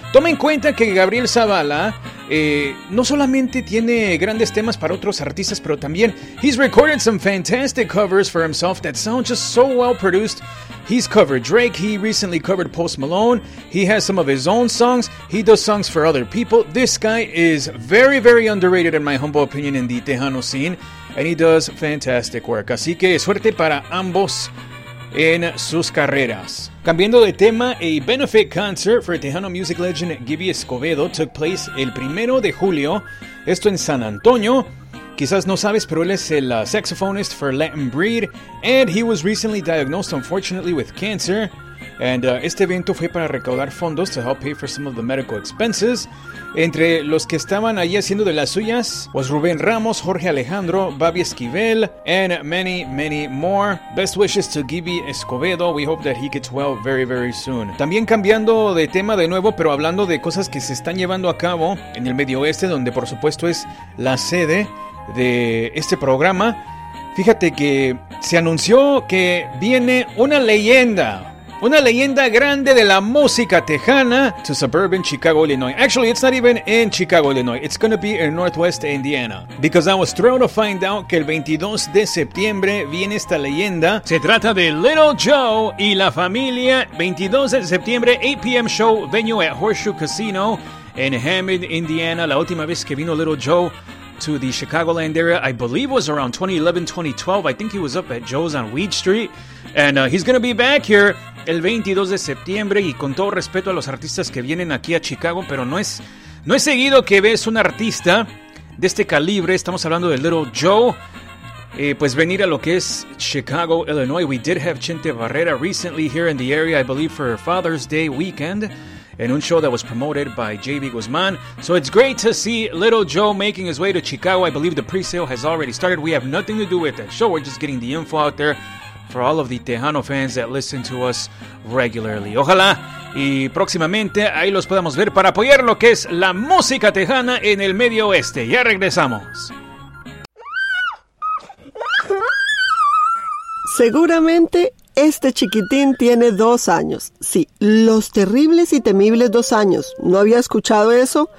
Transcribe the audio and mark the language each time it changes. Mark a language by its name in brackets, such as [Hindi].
[Spanish] Toma en cuenta que Gabriel Zavala no solamente tiene grandes temas para otros artistas, pero también [English] he's recorded some fantastic covers for himself that sound just so well produced. He's covered Drake, he recently covered Post Malone, he has some of his own songs, he does songs for other people. This guy is very, very underrated in my humble opinion in the Tejano scene, and he does fantastic work. [Spanish] Así que suerte para ambos en sus carreras. Cambiando de tema, [English] a benefit concert for Tejano music legend Gibby Escobedo took place [Spanish] el 1 de julio, esto en San Antonio. Quizás no sabes, pero él es el [English] saxophonist for Latin Breed, and he was recently diagnosed, unfortunately, with cancer. And [Spanish] este evento fue para recaudar fondos [English] to help pay for some of the medical expenses. [Spanish] Entre los que estaban allí haciendo de las suyas was Rubén Ramos, Jorge Alejandro, Bobby Esquivel, [English] and many, many more. Best wishes to Gibby Escobedo. We hope that he gets well very, very soon. [Spanish] También cambiando de tema de nuevo, pero hablando de cosas que se están llevando a cabo en el Medio Oeste, donde por supuesto es la sede de este programa, fíjate que se anunció que viene una leyenda grande de la música tejana [English] to suburban Chicago, Illinois. Actually, it's not even in Chicago, Illinois. It's gonna be in Northwest Indiana. Because I was thrilled to find out [Spanish] que el 22 de septiembre viene esta leyenda. Se trata de Little Joe y la familia. 22 de septiembre, 8 p.m. [English] show, venue at Horseshoe Casino in Hammond, Indiana. [Spanish] La última vez que vino [English] Little Joe to the Chicagoland area, I believe was around 2011, 2012. I think he was up at Joe's on Weed Street. And he's going to be back here [Spanish] el 22 de septiembre. Y con todo respeto a los artistas que vienen aquí a Chicago, pero no es seguido que ves un artista de este calibre. Estamos hablando de Little Joe. Pues venir a lo que es Chicago, Illinois. [English] We did have Chente Barrera recently here in the area, I believe for Father's Day weekend, in a show that was promoted by J.B. Guzman. So it's great to see Little Joe making his way to Chicago. I believe the presale has already started. We have nothing to do with that show. We're just getting the info out there for all of the Tejano fans that listen to us regularly. [Spanish] Ojalá y próximamente ahí los podamos ver para apoyar lo que es la música tejana en el Medio Oeste. Ya regresamos. Seguramente este chiquitín tiene 2 años. Sí, los terribles y temibles 2 años. ¿No había escuchado eso?